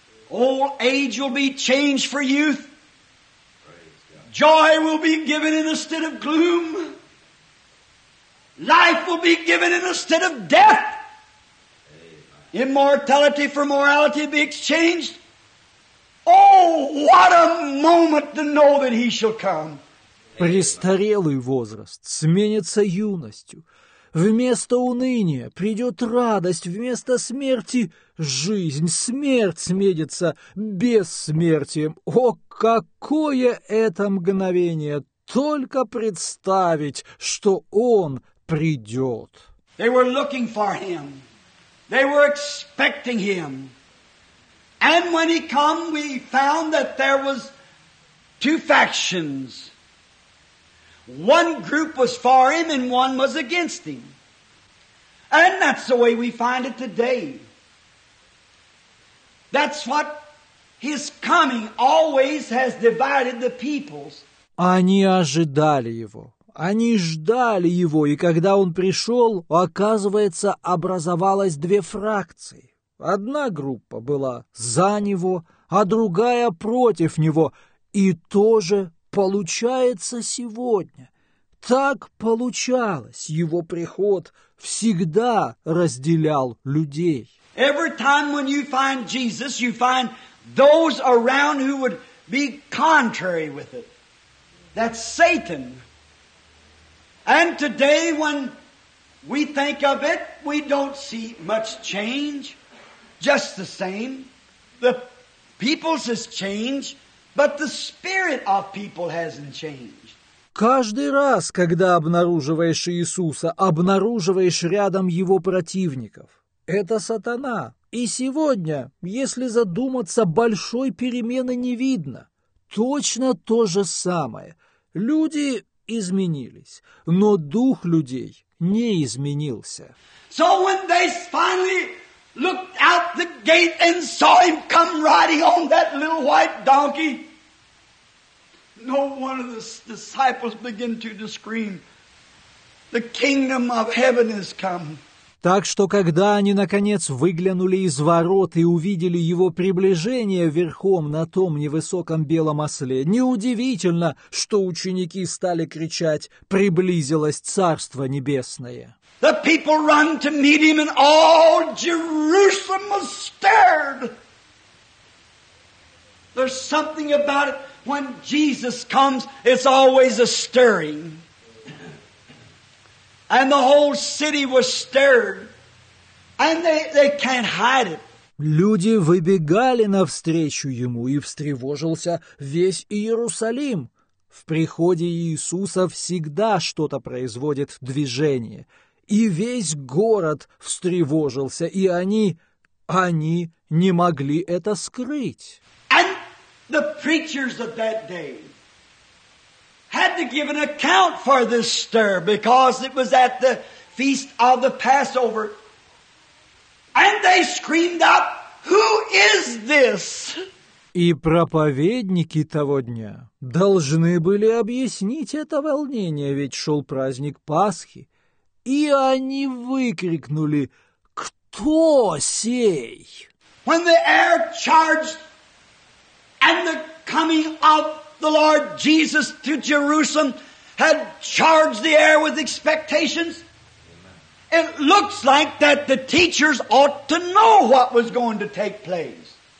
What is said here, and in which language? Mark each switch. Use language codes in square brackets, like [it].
[en] All age will be changed for youth. Joy will be given instead of gloom. Life will be given instead of death. Immortality for morality be exchanged. Oh, what a moment to know that he shall come. [ru] Престарелый возраст сменится юностью. Вместо уныния придет радость, вместо смерти жизнь. Смерть сменится бессмертием. О, какое это мгновение! Только представить, что он придет. [en] They were looking for him. They were expecting him. And when he come, we found that there was 2 factions. One group was for him and one was against him. And that's the way we find it today. That's what His coming always has divided the peoples. [ru] Они ожидали его. Они ждали его, и когда он пришел, оказывается, образовалось две фракции. Одна группа была за него, а другая против него. И то же получается сегодня. Так получалось, его приход всегда разделял людей. [en] Every time when you find Jesus, you find those around who would be contrary with it. That's Satan. And today when we think of it, we don't see much change. Just the same. The peoples has changed, but the spirit of people hasn't changed. [ru] Каждый раз, когда обнаруживаешь Иисуса, обнаруживаешь рядом его противников. Это сатана. И сегодня, если задуматься, большой перемены не видно. Точно то же самое. Люди изменились, но дух людей не изменился. [en] So when they finally looked out the gate and saw him come riding on that little white donkey, no one of the disciples began to scream, "The kingdom of heaven has come." [ru] Так что, когда они, наконец, выглянули из ворот и увидели его приближение верхом на том невысоком белом осле, неудивительно, что ученики стали кричать «Приблизилось Царство Небесное». [en] The people run to meet him, and all Jerusalem was stirred. There's something about it. When Jesus comes, it's always a stirring. And the whole city was stirred, and they can't hide it. [ru] Люди выбегали навстречу ему, и встревожился весь Иерусалим. В приходе Иисуса всегда что-то производит движение, и весь город встревожился, и они не могли это скрыть. [en] And the preachers of that day had to give an account for this stir, because it was at the feast of the Passover. And they screamed out, "Who is this?" [ru] И проповедники того дня должны были объяснить это волнение, ведь шел праздник Пасхи. И они выкрикнули, "Кто сей?" [en] When the air charged and the coming of the Lord Jesus to Jerusalem had charged the air with expectations. It looks like that the teachers ought to know what was going to take place.